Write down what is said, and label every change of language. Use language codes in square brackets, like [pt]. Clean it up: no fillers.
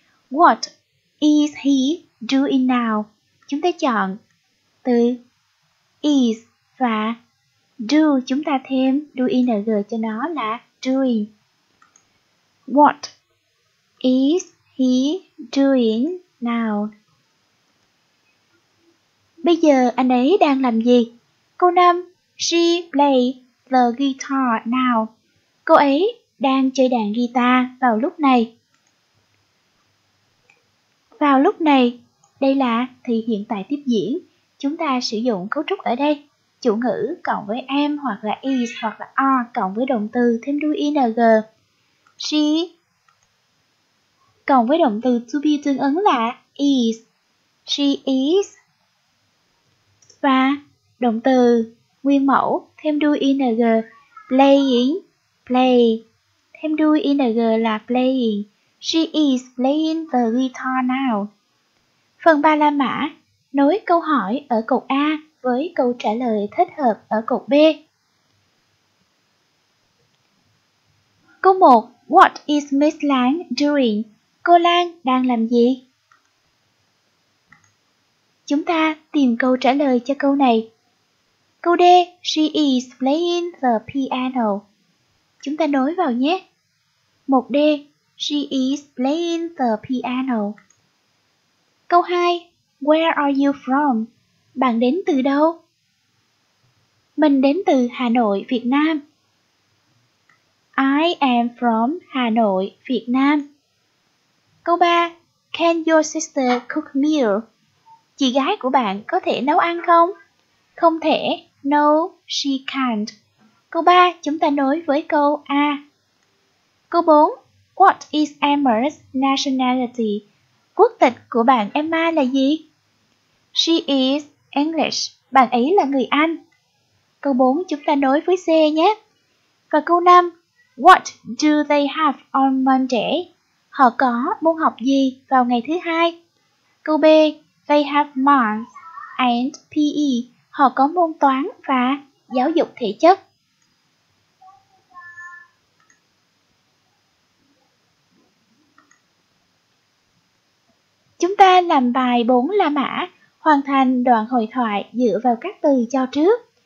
[en] What is he doing now? [vi] Chúng ta chọn từ is và do, chúng ta thêm đuôi ing cho nó là doing. [en] What is he doing now? [vi] Bây giờ anh ấy đang làm gì? Câu 5. [en] She plays the guitar now. [vi] Cô ấy đang chơi đàn guitar vào lúc này. Vào lúc này, đây là thì hiện tại tiếp diễn. Chúng ta sử dụng cấu trúc ở đây. Chủ ngữ cộng với am hoặc là is hoặc là are cộng với động từ thêm đuôi ing. She cộng với động từ to be tương ứng là is. She is. Và động từ nguyên mẫu thêm đuôi ing, playing, play, thêm đuôi ing là playing. [en] She is playing the guitar now. [vi] Phần 3 la mã, nối câu hỏi ở cột A với câu trả lời thích hợp ở cột B. Câu 1. [en] What is Miss Lan doing? [vi] Cô Lan đang làm gì? Chúng ta tìm câu trả lời cho câu này. Câu D, [en] she is playing the piano. [vi] Chúng ta nối vào nhé. 1D, [en] she is playing the piano. [vi] Câu 2, [en] where are you from? [vi] Bạn đến từ đâu? Mình đến từ Hà Nội, Việt Nam. [en] I am from Hà Nội, Việt Nam. [vi] Câu 3, [en] can your sister cook meal? [vi] Chị gái của bạn có thể nấu ăn không? Không thể. [en] No, she can't. [vi] Câu 3, chúng ta nối với câu A. [en] Câu 4, what is Emma's nationality? [vi] Quốc tịch của bạn Emma là gì? [en] She is English. [vi] Bạn ấy là người Anh. Câu 4, chúng ta nối với C nhé. Và câu 5, [en] what do they have on Monday? [vi] Họ có môn học gì vào ngày thứ hai? Câu B, [en] they have math and PE. [vi] Họ có môn toán và giáo dục thể chất. Chúng ta làm bài 4 la mã, hoàn thành đoạn hội thoại dựa vào các từ cho trước.